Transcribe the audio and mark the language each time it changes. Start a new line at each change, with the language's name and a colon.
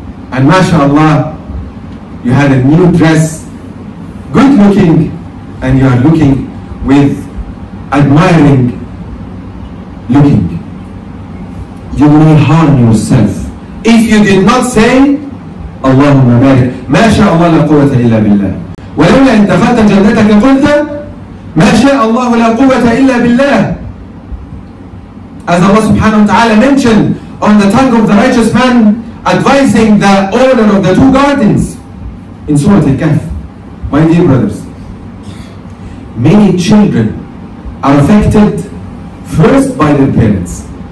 English: And mashallah, you had a new dress, good looking, and you are looking with admiring looking. You will harm yourself. If you did not say, Allahumma barik,
Arabic: ما شاء الله لا قوة إلا بالله. ولولا أن دخلت جنتك قلت ما شاء الله لا قوة إلا بالله.
English: As Allah subhanahu wa ta'ala mentioned on the tongue of the righteous man advising the owner of the two gardens in Surah Al-Kahf. My dear brothers, many children are affected first by their parents.